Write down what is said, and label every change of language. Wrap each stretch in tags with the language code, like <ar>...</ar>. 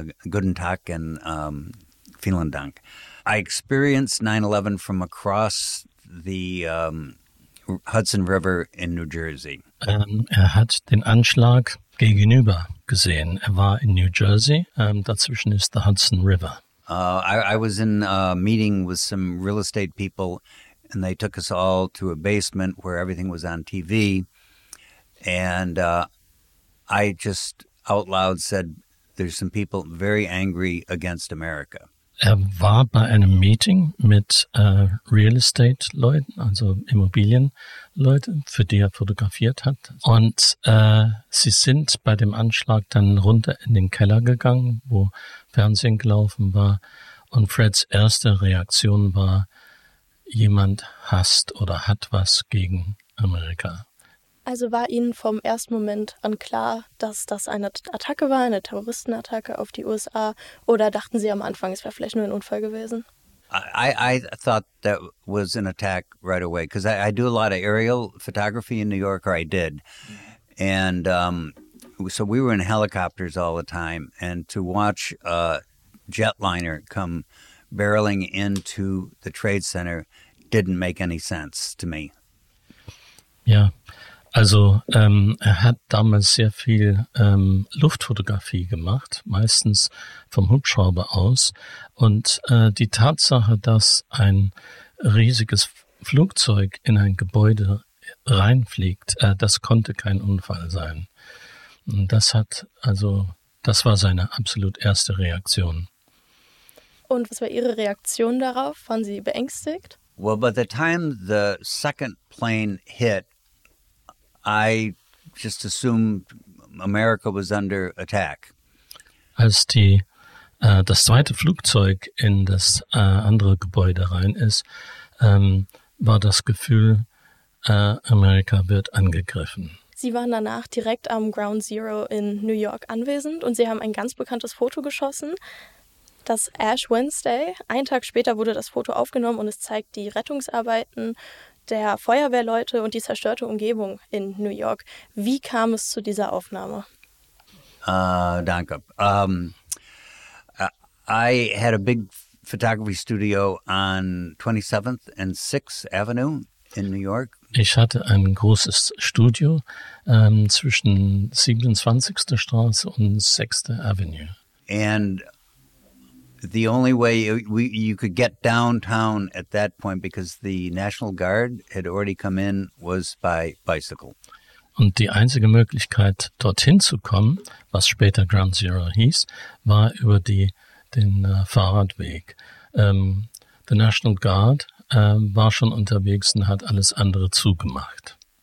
<de>Guten Tag und vielen Dank.</de> <en>I experienced 9/11 from across the Hudson River in New Jersey.</en> <de>Er hat den Anschlag gegenüber gesehen. Er war in New Jersey. Dazwischen ist der Hudson River.</de> <en>I was in a meeting with some real estate people, and they took us all to a basement where everything was on TV. And I just out loud said, there's some people very angry against America.</en> <de>Er war bei einem Meeting mit Real Estate-Leuten, also Immobilienleuten, für die er fotografiert hat. Und sie sind bei dem Anschlag dann runter in den Keller gegangen, wo Fernsehen gelaufen war. Und Freds erste Reaktion war, jemand hasst oder hat was gegen Amerika. Also war Ihnen vom ersten Moment an klar, dass das eine Attacke war, eine Terroristenattacke auf die USA? Oder dachten Sie am Anfang, es wäre vielleicht nur ein Unfall gewesen?</de> <en>I thought that was an attack right away, because I do a lot of aerial photography in New York, or I did. And so we were in helicopters all the time, and to watch a jetliner come barreling into the Trade Center didn't make any sense to me. Yeah.</en> <de>Also er hat damals sehr viel Luftfotografie gemacht, meistens vom Hubschrauber aus. Und die Tatsache, dass ein riesiges Flugzeug in ein Gebäude reinfliegt, das konnte kein Unfall sein. Und das war seine absolut erste Reaktion. Und was war Ihre Reaktion darauf? Waren Sie beängstigt?</de> <en>Well, by the time the second plane hit, I just assumed America was under attack.</en> <de>Als die das zweite Flugzeug in das andere Gebäude rein ist, war das Gefühl, Amerika wird angegriffen. Sie waren danach direkt am Ground Zero in New York anwesend und Sie haben ein ganz bekanntes Foto geschossen, das Ash Wednesday. Einen Tag später wurde das Foto aufgenommen und es zeigt die Rettungsarbeiten der Feuerwehrleute und die zerstörte Umgebung in New York. Wie kam es zu dieser Aufnahme? Danke.</de> <en>I had a big photography studio on 27th and 6th Avenue in New York.</en> <de>Ich hatte ein großes Studio zwischen 27. Straße und 6th Avenue.</de> <en>And the only way you could get downtown at that point, because the National Guard had already come in, was by bicycle.</en> <de>Und die einzige Möglichkeit, dorthin zu kommen, was später Ground Zero hieß, war über den Fahrradweg. The National Guard war schon unterwegs und hat alles andere zugemacht.</de>